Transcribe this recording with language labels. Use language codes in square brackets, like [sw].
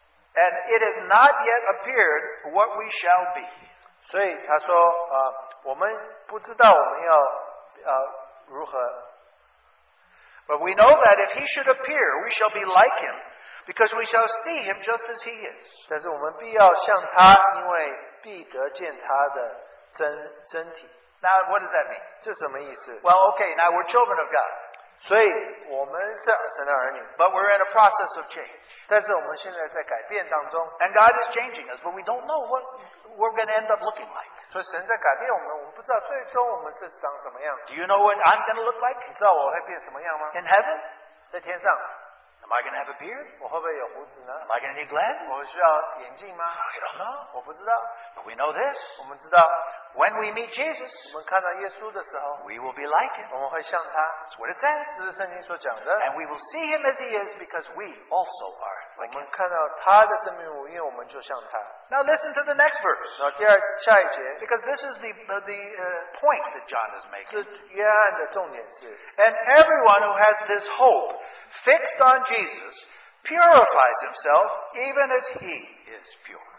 [en] And it has not yet appeared what we shall be. [zh] 所以他说，我们不知道我们要如何。 [en] But we know that if he should appear, we shall be like him, because we shall see him just as he is. [zh] 但是我们必要像他，因为必得见他的真体。 [en] Now what does that mean? [zh] 这什么意思? [en] Well, okay. Now we're children of God. [zh] 所以我们是神的儿女, [en] but we're in a process of change. [zh] 但是我们现在在改变当中, [en] and God is changing us, but we don't know what we're going to end up looking like. [zh] 所以神在改变我们, [en] Do you know what I'm going to look like? [zh] 你知道我会变什么样吗? [en] In heaven? [zh] 在天上? [en] Am I going to have a beard? [zh] 我会不会有胡子呢? [en] Am I going to need glasses? [zh] 我需要眼镜吗? [en] I don't know. [zh] 我不知道, [en] but we know this. [zh] 我们知道, [en] when we meet Jesus, [zh] 我们看到耶稣的时候, [en] we will be like him. [zh] 我们会像他, [en] that's what it says. [zh] 这是圣经所讲的, [en] and we will see him as he is because we also are like him. [zh] 我们看到他的真面目，因为我们就像他。 [en] Now listen to the next verse. [zh] 然后第二,下一节, [en] because this is the point that John is making. [zh] 约翰的重点是, [en] and everyone who has this hope fixed on Jesus purifies himself even as he is pure.